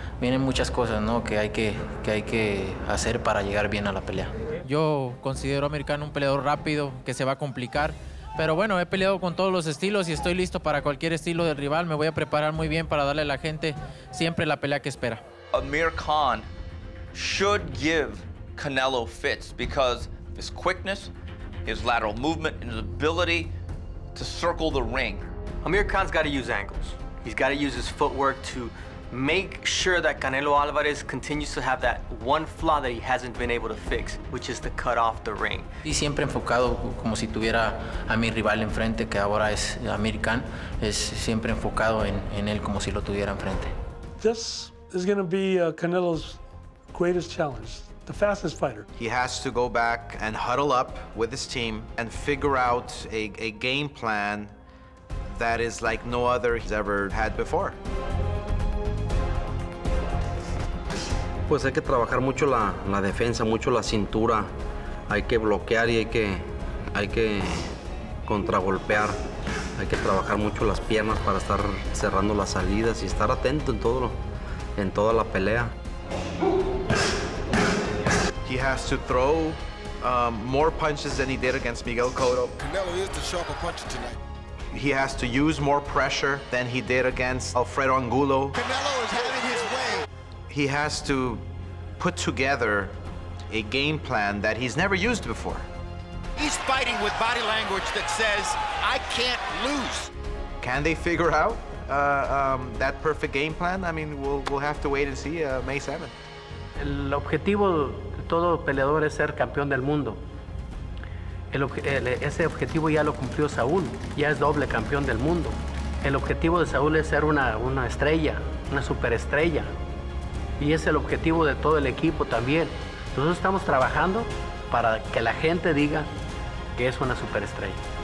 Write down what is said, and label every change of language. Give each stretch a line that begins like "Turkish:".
Spanish: Vienen muchas cosas, ¿no? Que hay que hacer para llegar bien a la pelea. Yo considero a Amir Khan un peleador rápido, que se va a complicar. Pero bueno, he peleado con todos los estilos y estoy listo para cualquier estilo del rival. Me voy a preparar muy bien para darle a la gente siempre la pelea que espera.
English: Amir Khan should give Canelo fits because of his quickness, his lateral movement, and his ability to circle the ring. Amir Khan's got to use angles. He's got to use his footwork to make sure that Canelo Alvarez continues to have that one flaw that he hasn't been able to fix, which is to cut off the ring.
Spanish: Y siempre enfocado como si tuviera a mi rival enfrente, que ahora es Amir Khan, es siempre enfocado en él como si lo tuviera enfrente.
English: This is going to be Canelo's greatest challenge, the fastest fighter. He has to go back and huddle up with his team and figure out a game plan that is like no other he's ever had before.
Spanish: Pues hay que trabajar mucho la defensa, mucho la cintura. Hay que bloquear y hay que contragolpear. Hay que trabajar mucho las piernas para estar cerrando las salidas y estar atento en toda la pelea.
English: He has to throw more punches than he did against Miguel Cotto. Canelo is the sharper puncher tonight. He has to use more pressure than he did against Alfredo Angulo. Canelo is having his way. He has to put together a game plan that he's never used before. He's fighting with body language that says, I can't lose. Can they figure out that perfect game plan? I mean, we'll have to wait and see May 7th.
Spanish: El objetivo de todo peleador es ser campeón del mundo. Ese objetivo ya lo cumplió Saúl, ya es doble campeón del mundo. El objetivo de Saúl es ser una estrella, una superestrella. Y es el objetivo de todo el equipo también. Nosotros estamos trabajando para que la gente diga que es una superestrella.